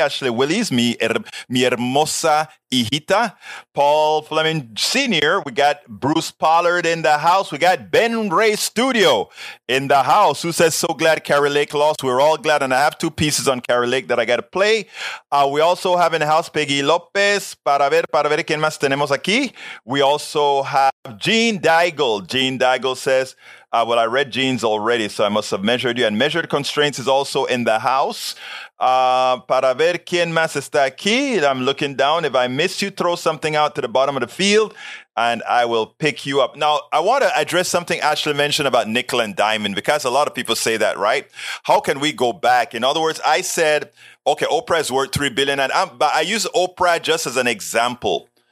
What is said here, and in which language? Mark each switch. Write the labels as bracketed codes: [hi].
[es] Ashley Willis, mi hermosa hijita. [en] Paul Fleming Sr. We got Bruce Pollard in the house. We got Ben Ray Studio in the house, who says, so glad Carrie Lake lost. We're all glad. And I have two pieces on Carrie Lake that I got to play. We also have in the house Peggy Lopez. [es] Para ver quién más tenemos aquí. [en] We also have Gene Daigle. Gene Daigle says, well, I read Gene's already, so I must have measured you. And Measured Constraints is also in the house. [es] Para ver quién más está aquí. [en] I'm looking down. If I miss you, throw something out to the bottom of the field and I will pick you up. Now, I want to address something Ashley mentioned about nickel and diamond, because a lot of people say that, right? How can we go back? In other words, I said, okay, Oprah is worth $3 billion. But I use Oprah just as an example.